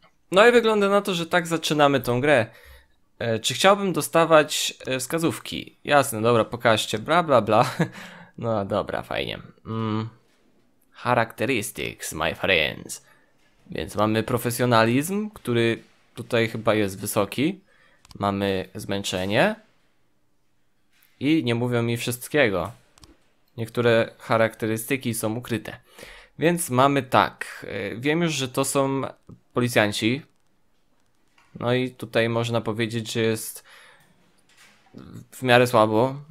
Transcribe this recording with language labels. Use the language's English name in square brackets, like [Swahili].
[Polish] No i wygląda na to, że tak zaczynamy tą grę. Czy chciałbym dostawać wskazówki? Jasne, dobra, pokażcie, bla bla bla. No dobra, fajnie. [English] Characteristics, my friends. [Polish] Więc mamy profesjonalizm, który tutaj chyba jest wysoki. Mamy zmęczenie. I nie mówią mi wszystkiego. Niektóre charakterystyki są ukryte. Więc mamy tak. Wiem już, że to są policjanci. No i tutaj można powiedzieć, że jest w miarę słabo.